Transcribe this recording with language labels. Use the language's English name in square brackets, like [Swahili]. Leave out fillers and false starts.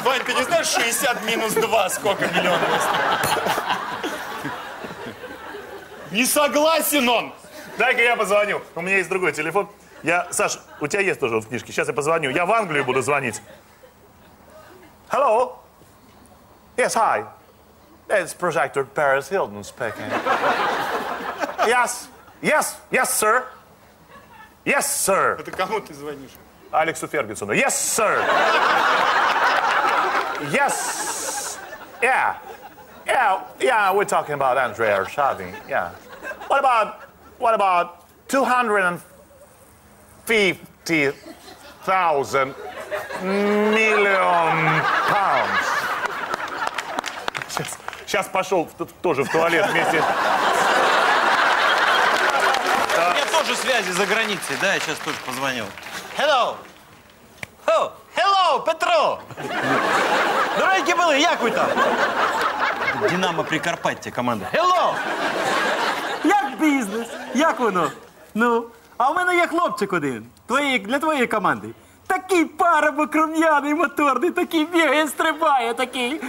[Russian] Вань, ты не знаешь 60 минус 2, сколько миллионов? Не согласен он! Дай-ка я позвоню. У меня есть другой телефон. Я, Саш, у тебя есть тоже в книжке. Сейчас я позвоню. Я в Англию буду звонить. [English] Hello? Yes, hi. It's Prosector Paris Hilton speaking. Yes, yes, yes, sir. Yes, sir. [Russian] Это кому ты звонишь? Алексу Фергюсону. [English] Yes, sir. Yes. Yeah. Yeah, yeah, we're talking about Andrea Arshavin. Yeah. What about 250,000 million pounds? [Russian] Сейчас пошел тоже в туалет вместе. У меня тоже связи за границей, да, я сейчас тоже позвонил. [English] Hello! Hello, Петро! [Russian] Дорогие были, как вы там? [Ukrainian] Динамо Прикарпаття, команда. [English] Hello! [Ukrainian] Як бизнес? Як воно? Ну, а у мене є хлопчик один, для твоєї команди. Такий парубок рум'яний, моторний, такий бігає, стрибає, такий.